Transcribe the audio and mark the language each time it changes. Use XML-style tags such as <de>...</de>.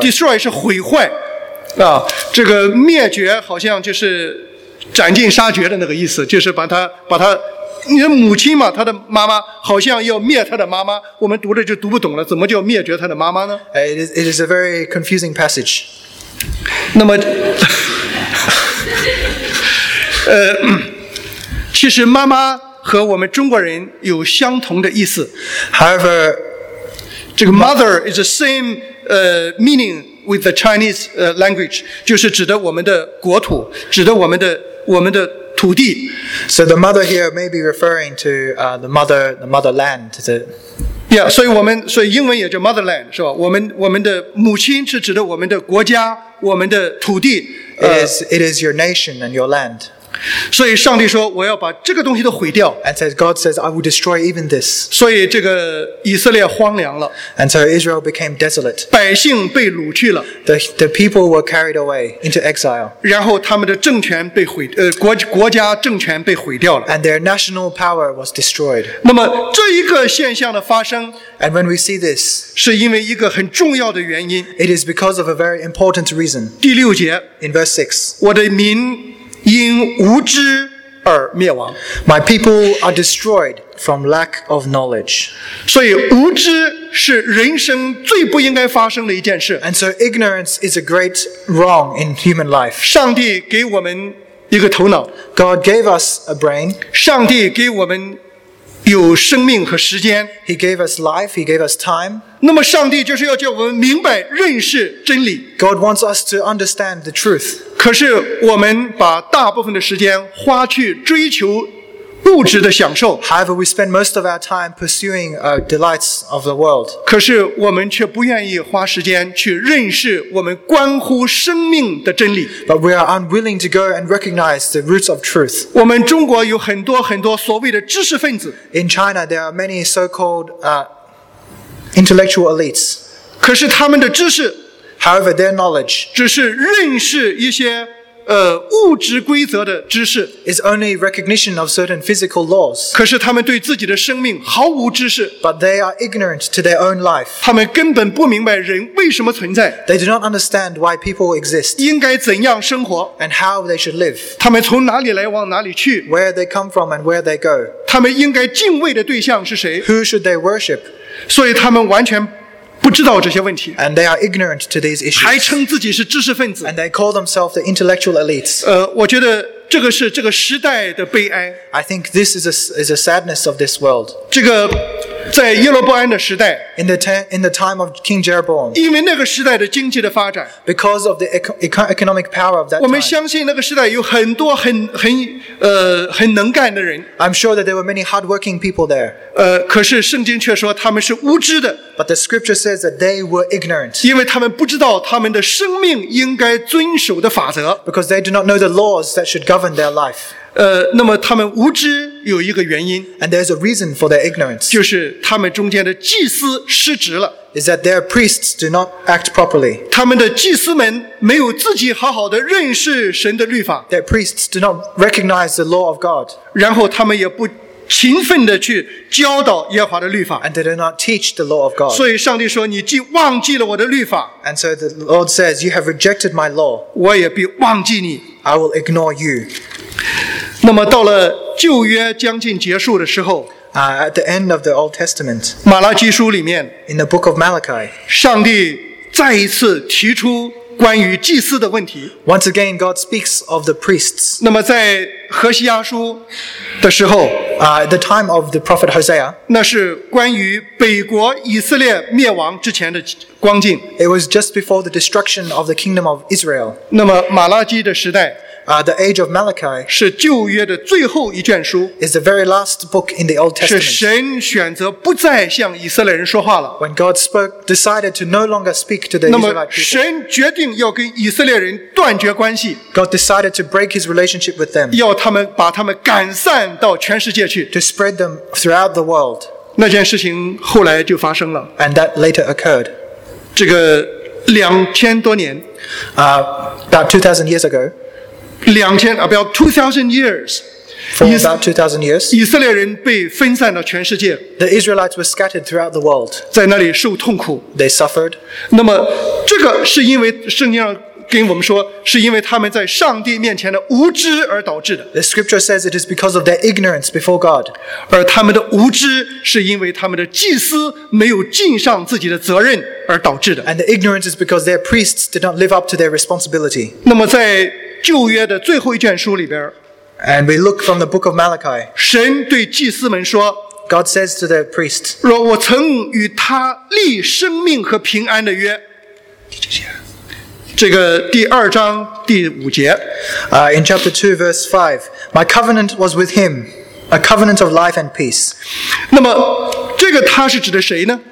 <zh>Destroy 是毁坏。这个灭绝好像就是斩尽杀绝的那个意思，就是把它。你的母亲嘛，她的妈妈好像要灭她的妈妈，我们读着就读不懂了，怎么叫灭绝她的妈妈呢</zh> <en>？It is a very confusing passage.</en> <zh>那么其实妈妈和我们中国人有相同的意思。</zh> <en>However,</en> <zh>这个</zh> <en>mother is the same meaning with the Chinese language,</en> <zh>就是指的我们的国土，指的我们的土地。</zh> <en>So the mother here may be referring to the motherland.</en> <zh>Yeah, 所以英文也叫 motherland, 是吧？我们的母亲是指的我们的国家。我们的土地</zh> <en>it is your nation and your land.</en> <zh>所以上帝说我要把这个东西都毁掉。</zh> <en>And says, God says, I will destroy even this.</en> <zh>所以这个以色列荒凉了。</zh> <en>And so Israel became desolate.</en> <zh>百姓被掳去了。</zh> <en>The people were carried away into exile.</en> <zh>然后他们的政权被毁，国家政权被毁掉了。</zh> <en>And their national power was destroyed.</en> <zh>那么这一个现象的发生，</zh> <en>And when we see this,</en> <zh>是因为一个很重要的原因。</zh> <en>It is because of a very important reason.</en> <zh>第六节，</zh> <en>In verse 6,</en> <zh>我的民因无知而灭亡。</zh> <en>My people are destroyed from lack of knowledge.</en> <zh>所以无知是人生最不应该发生的一件事。</zh> <en>And so ignorance is a great wrong in human life.</en> <zh>上帝给我们一个头脑。</zh> <en>God gave us a brain.</en> <zh>上帝给我们有生命和时间。</zh> <en>He gave us life, He gave us time.</en> <zh>那么上帝就是要叫我们明白认识真理。</zh> <en>God wants us to understand the truth.</en> <zh>可是我们把大部分的时间花去追求物质的享受。</zh> <en>However, we spend most of our time pursuing delights of the world.</en> <zh>可是我们却不愿意花时间去认识我们关乎生命的真理。</zh> <en>But we are unwilling to go and recognize the roots of truth.</en> <zh>我们中国有很多很多所谓的知识分子。</zh> <en>In China, there are many so-called intellectual elites.</en> <zh>可是他们的知识，</zh> <en>However, their knowledge</en> <zh>只是认识一些物质规则的知识，</zh> <en>is only recognition of certain physical laws.</en> <zh>可是他们对自己的生命毫无知识。</zh> <en>But they are ignorant to their own life.</en> <zh>他们根本不明白人为什么存在。</zh> <en>They do not understand why people exist.</en> <zh>应该怎样生活。</zh> <en>And how they should live.</en> <zh>他们从哪里来往哪里去。</zh> <en>Where they come from and where they go.</en> <zh>他们应该敬畏的对象是谁。</zh> <en>Who should they worship.</en> <zh>所以他们完全不知道这些问题。</zh> <en>And they are ignorant to these issues.</en> <zh>还称自己是知识分子。</zh> <en>And they call themselves the intellectual elites.</en> <zh>我觉得这个是这个时代的悲哀。</zh> <en>I think this is a sadness of this world.</en> <zh>这个在耶罗波安的时代，</zh> <en>in the time of King Jeroboam,</en> <zh>因为那个时代的经济的发展，</zh> <en>because of the economic power of that time,</en> <zh>我们相信那个时代有很多很能干的人。</zh> <en>I'm sure that there were many hardworking people there.</en> <zh>可是圣经却说他们是无知的。</zh> <en>But the scripture says that they were ignorant.</en> <zh>因为他们不知道他们的生命应该遵守的法则。</zh> <en>Because they do not know the laws that should govern their life.</en> <zh>那么他们无知有一个原因，</zh> <en>and there's a reason for their ignorance.</en> <zh>就是他们中间的祭司失职了，</zh> <en>is that their priests do not act properly.</en> <zh>他们的祭司们没有自己好好的认识神的律法，</zh> <en>their priests do not recognize the law of God.</en> <zh>然后他们也不勤奋地去教导耶和华的律法，</zh> <en>and they do not teach the law of God.</en> <zh>所以上帝说你既忘记了我的律法，</zh> <en>and so the Lord says, you have rejected my law.</en> <zh>我也必忘记你，</zh> <en>I will ignore you.</en> <zh>那么到了旧约将近结束的时候，</zh> <en>at the end of the Old Testament,</en> <zh>马拉基书里面，</zh> <en>in the book of Malachi,</en> <zh>上帝再一次提出关于祭司的问题。</zh> <en>Once again, God speaks of the priests.</en> <zh>那么在何西阿书的时候，</zh> <en>at the time of the prophet Hosea,</en> <zh>那是关于北国以色列灭亡之前的光景。</zh> <en>It was just before the destruction of the kingdom of Israel.</en> <zh>那么马拉基的时代，</zh> <en>The Age of Malachi,</en> <zh>是旧约的最后一卷书，</zh> <en>is the very last book in the Old Testament.</en> <zh>是神选择不再向以色列人说话了。</zh> <en>When God decided to no longer speak to the Israelite people.</en> <zh>那么神决定要跟以色列人断绝关系。</zh> <en>God decided to break his relationship with them.</en> <zh>要他们把他们赶散到全世界去。</zh> <en>To spread them throughout the world.</en> <zh>那件事情后来就发生了。</zh> <en>And that later occurred.</en> <zh>这个两千多年，</zh> <en>about 2,000 years ago, about 2,000 years. For about 2,000 years,</en> <zh>以色列人被分散到全世界。</zh> <en>The Israelites were scattered throughout the world.</en> <zh>在那里受痛苦。</zh> <en>They suffered.</en> <zh>那么这个是因为圣经上跟我们说，是因为他们在上帝面前的无知而导致的。</zh> <en>The scripture says it is because of their ignorance before God.</en> <zh>而他们的无知是因为他们的祭司没有尽上自己的责任而导致的。</zh> <en>And the ignorance is because their priests did not live up to their responsibility.</en> <zh>那么在旧约的最后一卷书里边，</zh> <en>And we look from the book of Malachi,</en> <zh>神对祭司们说，</zh> <en>God says to the priest,</en> <zh>若我曾与他立生命和平安的约， 这个第二章第五节，</zh> <en>In chapter 2 verse 5, My covenant was with him, a covenant of life and peace.</en> <zh>那么这个他是指的谁呢？</zh>